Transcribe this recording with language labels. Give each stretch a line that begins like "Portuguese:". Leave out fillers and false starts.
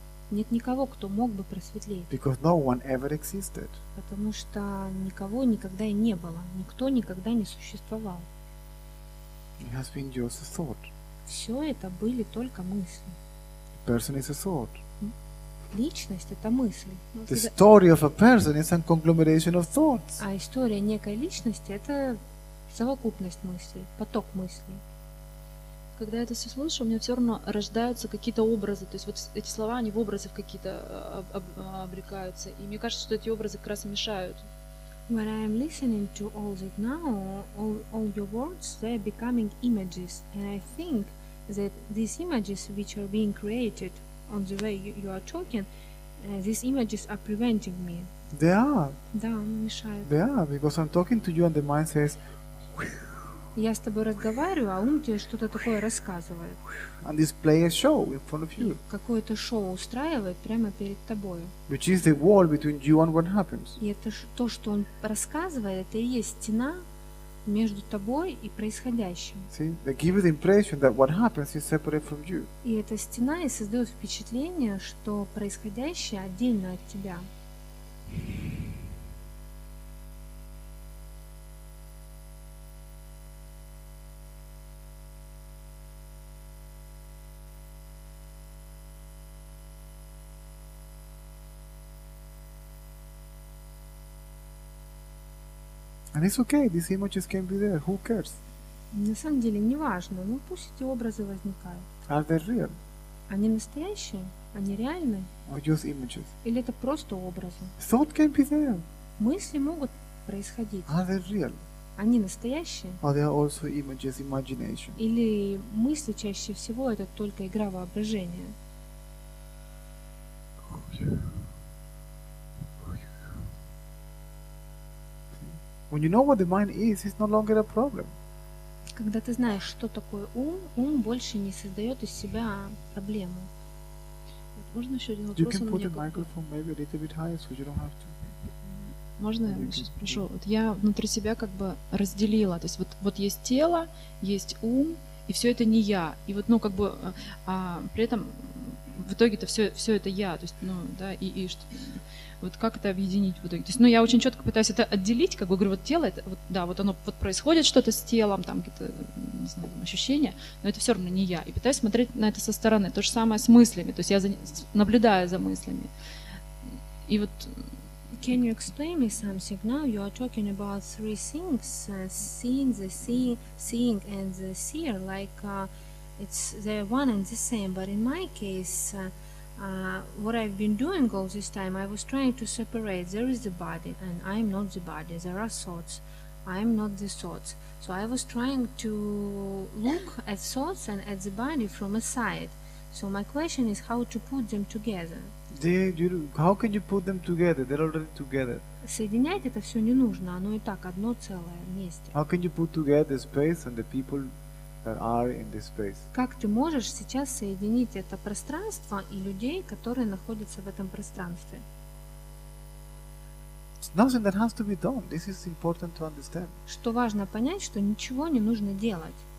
Russian: Нет никого, кто мог бы просветлеть.
English: Because no one ever existed.
Russian: Потому что никого никогда и не было. Никто никогда не существовал.
English: It has been just a thought.
Russian: Все это были только мысли.
English: A person is a thought.
Russian: Личность – это мысль.
English: The story of a person is a conglomeration of thoughts.
Russian: А история некой личности – это совокупность мыслей, поток мыслей. когда я это все слышу, у меня все равно рождаются какие-то образы. То есть вот эти слова, они в образы в какие-то обрекаются. И мне кажется, что эти образы как раз мешают.
English: When I am listening to all that now, all your words, they are becoming images. And I think that these images, which are being created on the way you are talking, these images are preventing me. They are.
Russian: Да, они мешают.
English: They are, because I'm talking to you and the mind says...
Russian: Я с тобой разговариваю, а ум тебе что-то такое рассказывает.
English: And this play a show in front of you.
Russian: Какое-то шоу устраивает прямо перед тобой.
English: Which is the wall between you and what happens.
Russian: И это то, что он рассказывает, это и есть стена между тобой и происходящим.
English: See, they give you the impression that what happens is separate from you.
Russian: И эта стена и создает впечатление, что происходящее отдельно от тебя.
English: And it's okay, these images can be there, who cares?
Russian: На самом деле, не важно, ну пусть эти образы возникают.
English: Are they real?
Russian: Они настоящие? Они реальны?
English: Or just images?
Russian: Или это просто образы?
English: Thought can be there.
Russian: Мысли могут происходить.
English: Are they real?
Russian: Они настоящие?
English: Or they are also images, imagination?
Russian: Или мысли чаще всего это только игра воображения?
English: When you know what the mind is, it's no longer a problem.
Russian: Когда ты знаешь, что такое ум, ум больше не создает из себя проблему. Можно еще один вопрос?
English: You can put the microphone maybe a little bit higher, so you don't have to.
Russian: Можно я сейчас спрошу? Вот я внутри себя как бы разделила, то есть вот есть тело, есть ум, и все это не я. И вот, ну как бы, при этом в итоге-то все это я, то есть, ну да, и что? Вот как это объединить в итоге? То есть, ну, я очень четко пытаюсь это отделить, как бы говорю, вот тело, это, вот, да, вот оно вот происходит что-то с телом, там какие-то, не знаю, там, ощущения, но это все равно не я. И пытаюсь смотреть на это со стороны. То же самое с мыслями. То есть я наблюдаю за мыслями. И вот...
English: Can you explain me something now? You are talking about three things. Seeing, the seeing and the seer. Like it's they're one and the same. But in my case... what I've been doing all this time, I was trying to separate. There is the body, and I am not the body. There are thoughts. I am not the thoughts. So I was trying to look at thoughts and at the body from a side. So my question is how to put them together. How can you put them together? They're already together.
Russian: Соединять это все не нужно. Оно и так одно целое вместе.
English: How can you put together the space and the people? That are in this space.
Russian: Как ты можешь сейчас соединить это пространство и людей, которые находятся в этом пространстве?
English: It's nothing that has to be done. This is important to understand.
Russian: Что важно понять, что ничего не нужно делать.